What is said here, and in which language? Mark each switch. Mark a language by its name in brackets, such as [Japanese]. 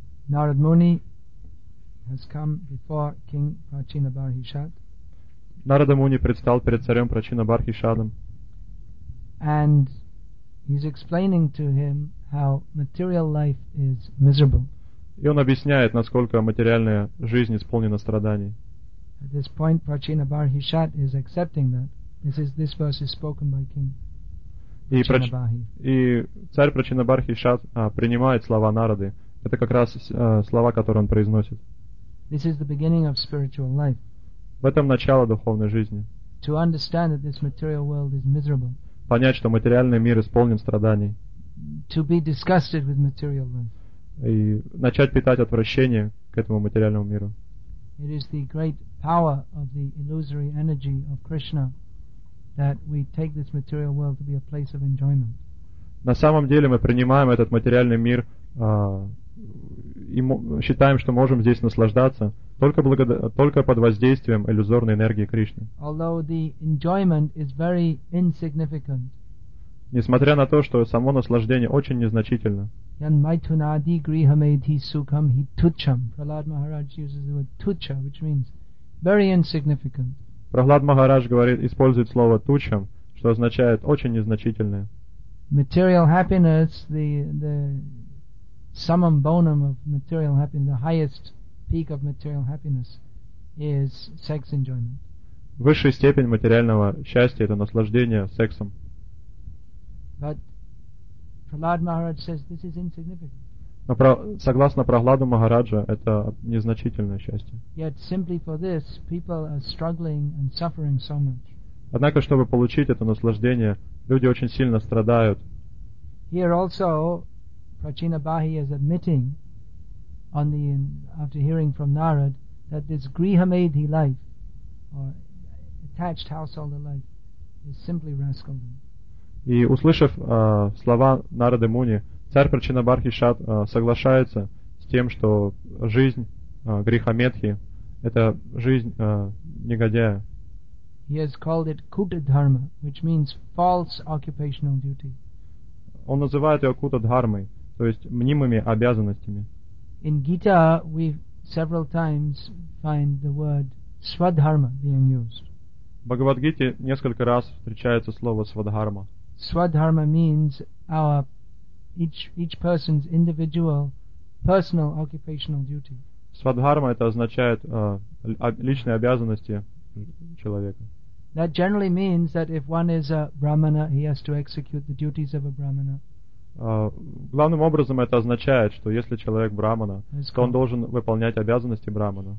[English] Narad Muni has come before King Prachina Barhishad. [Russian] Narada Muni предстал перед царем Прачина Бархишадом. [English] And he's explaining to him how material life is miserable. [Russian] И он объясняет, насколько материальная жизнь исполнена страданий. [English] At this point, Prachina Barhishat is accepting that. This verse is spoken by King Prachina Bahi. [Russian] И царь Прачина Бархишат принимает слова Нарады. Это как раз слова, которые он произносит. [English] This is the beginning of spiritual life. [Russian] В этом начало духовной жизни. [English] To understand that this material world is miserable. [Russian] Понять, что материальный мир исполнен страданий. [English] To be disgusted with material life. [Russian] И начать питать отвращение к этому материальному миру. [English] It is the great power of the illusory energy of Krishna that we take this material world to be a place of enjoyment. [Russian] На самом деле мы принимаем этот материальный мир и считаем, что можем здесь наслаждаться только под воздействием иллюзорной энергии Кришны. [English] Although the enjoyment is very insignificant. [Russian] Несмотря на то, что само наслаждение очень незначительно. [Sanskrit] Yan maithunadi grihamedhi sukham hi tucham. [English] Prahlad Maharaj uses the word tucha, which means very insignificant. [Russian] Прохлад Махарадж говорит, использует слово тучам, что означает очень незначительное. [English] Material happiness, the summum bonum of material happiness, the highest peak of material happiness is sex enjoyment. [Russian] Высшая степень материального счастья — это наслаждение сексом. [English] But Prahlad Maharaj says this is insignificant. [Russian] Но согласно Прохладу Махараджа, это незначительное счастье. [English] Yet simply for this, people are struggling and suffering so much. [Russian] Однако, чтобы получить это наслаждение, люди очень сильно страдают. [English] Here also, Prachina Bahi is admitting, after hearing from Narad, that this grihamedhi life, or attached householder life, is simply rascalism. [Russian] И услышав слова Нарады Муни, царь Прачина Бархишат соглашается с тем, что жизнь грихаметхи — это жизнь негодяя. [English] He has called it kuta dharma, which means false occupational duty. [Russian] Он называет ее кута дхармой, то есть мнимыми обязанностями. [English] In Gita we several times find the word svadharma being used. [Russian] В Бхагавадгите несколько раз встречается слово свадхарма. [English] Свадхарма means each person's individual personal occupational duty. [Russian] Свадхарма — это означает личные обязанности человека. [English] That generally means that if one is a brahmana, he has to execute the duties of a brahmana. [Russian] Главным образом это означает, что если человек брахмана, то он должен выполнять обязанности брахмана.